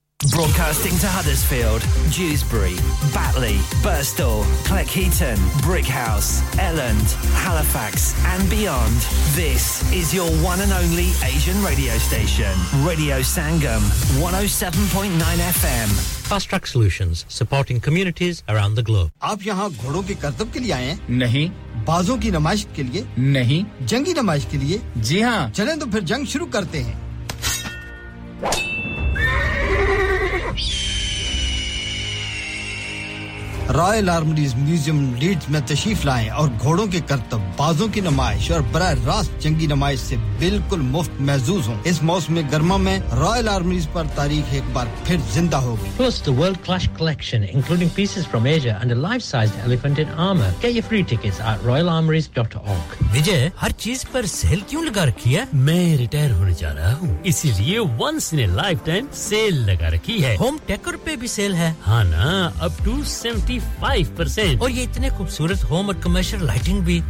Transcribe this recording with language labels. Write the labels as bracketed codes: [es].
[en] Broadcasting to Huddersfield, Dewsbury, Batley, Birstall, Cleckheaton, Brickhouse, Elland, Halifax and beyond. This is your one and only Asian radio station. Radio Sangam, 107.9 FM. Fast Track Solutions, supporting communities around the globe. [hi] आप यहाँ घोड़ों के करतब के लिए आए हैं? नहीं. बाजों की नमाज के लिए? नहीं. जंगी नमाज के लिए? जी हाँ. चलें तो फिर जंग शुरू करते हैं. Royal Armouries Museum Leeds में तशीफ लाएं और घोड़ों के करतब, बाजों की नमाइश और बराए रास्त जंगी नमाइश से बिल्कुल मुफ्त महसूस हों। इस मौसम गर्मा में Royal Armouries पर तारीख एक बार फिर जिंदा होगी। [en] Plus the world-class collection, including pieces from Asia and a life-sized elephant in armour. Get your free tickets at royalarmouries.org. [hi] विजय, हर चीज पर सेल क्यों लगा रखी है? मैं रिटायर होने जा रहा हूँ, इसीलिए [en] once in a lifetime [hi] cell लगा रखी है। Home Decor पे भी सेल है। हाँ ना, [en] up to 75% [hi] और ये इतने खूबसूरत होम और कमर्शियल लाइटिंग भी